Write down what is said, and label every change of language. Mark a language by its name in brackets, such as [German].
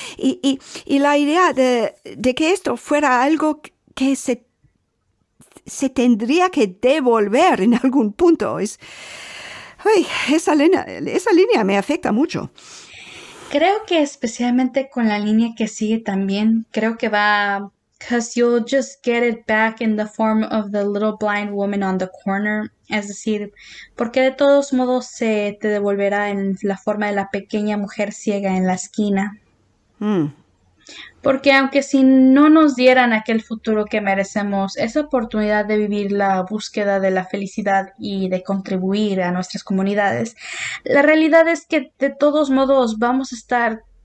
[Spanish] Y la idea de que esto fuera algo que se tendría que devolver en algún punto es... Ay, esa línea me afecta mucho. Creo que especialmente con la línea que sigue también, creo que va... [English] Because you'll just get it back in the form of the little blind woman on the corner. [Spanish] Es decir, porque de todos modos se te devolverá en la forma de la pequeña mujer ciega en la esquina. Mm. Porque aunque si no nos dieran aquel futuro que merecemos, esa oportunidad de vivir la búsqueda de la felicidad y de contribuir a nuestras comunidades, la realidad es que de todos modos vamos a estar...